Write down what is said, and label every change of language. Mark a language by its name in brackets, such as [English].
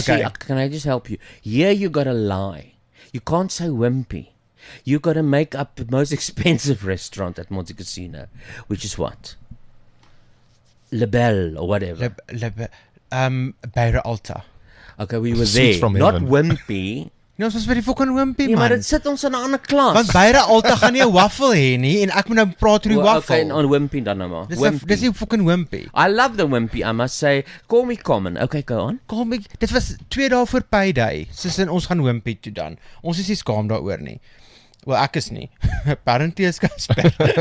[English] See, can I just help you? Yeah, you gotta lie. You can't say Wimpy. You got to make up the most expensive restaurant at Monte Cassino, which is what? Le Belle or whatever. Beira Alta. Okay, we were there. Not Wimpy. No, it was very fucking Wimpy, man. [Afrikaans] Yeah, maar dit sit ons in 'n ander klas. Want Beira Alta gaan nie 'n waffle hê nie en ek moet nou praat oor die waffle. Okay, on Wimpy dan nou maar. Dis die fucking Wimpy. [English] I love the Wimpy, I must say. Call me common. Okay, go on. [Afrikaans] Call me. Dit was 2 dae voor payday. Soos ons gaan Wimpy toe dan. Ons is nie skaam daaroor nie. Well, ek is nie. Apparently, is Casper.